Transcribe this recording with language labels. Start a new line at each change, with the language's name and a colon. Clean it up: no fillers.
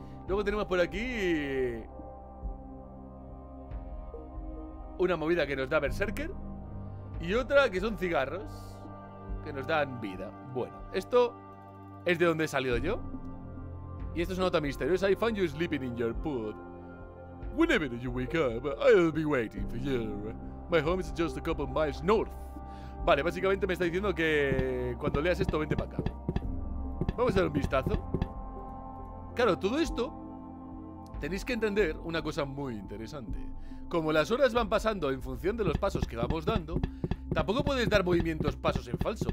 Spanish: Luego tenemos por aquí... una movida que nos da Berserker. Y otra que son cigarros. Que nos dan vida. Bueno, esto es de donde he salido yo. Y esto es una nota misteriosa.
English: I found you sleeping in your pod. Whenever you wake up, I'll be waiting for you. My home is just a couple miles north.
Spanish: Vale, básicamente me está diciendo que cuando leas esto, vente para acá. Vamos a dar un vistazo. Claro, todo esto tenéis que entender una cosa muy interesante. Como las horas van pasando en función de los pasos que vamos dando, tampoco puedes dar movimientos pasos en falso.